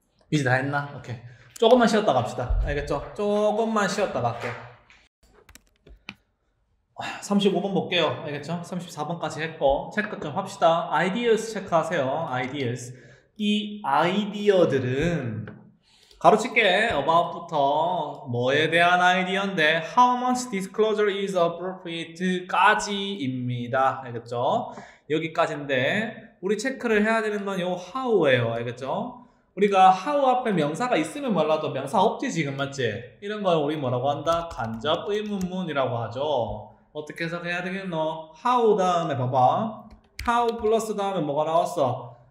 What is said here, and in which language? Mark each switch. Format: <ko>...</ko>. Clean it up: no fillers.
<ko>이제 다 했나? 오케이. 조금만 쉬었다 갑시다. 알겠죠? 조금만 쉬었다 갈게. 35번 볼게요. 알겠죠? 34번까지 했고 체크 좀 합시다. 아이디어스 체크하세요. 아이디어스. 이 아이디어들은 가로칠게.</ko> <en>About부터</en> <ko>뭐에 대한 아이디어인데</ko> <en>How much disclosure is appropriate 까지입니다.</en> <ko>알겠죠? 여기까지인데 우리 체크를 해야 되는 건 요 How예요. 알겠죠? 우리가 how 앞에 명사가 있으면 몰라도 명사 없지 지금 맞지? 이런 걸 우리 뭐라고 한다? 간접 의문문이라고 하죠. 어떻게 해석해야 되겠노? how 다음에 봐봐. how 플러스 다음에 뭐가 나왔어?</ko>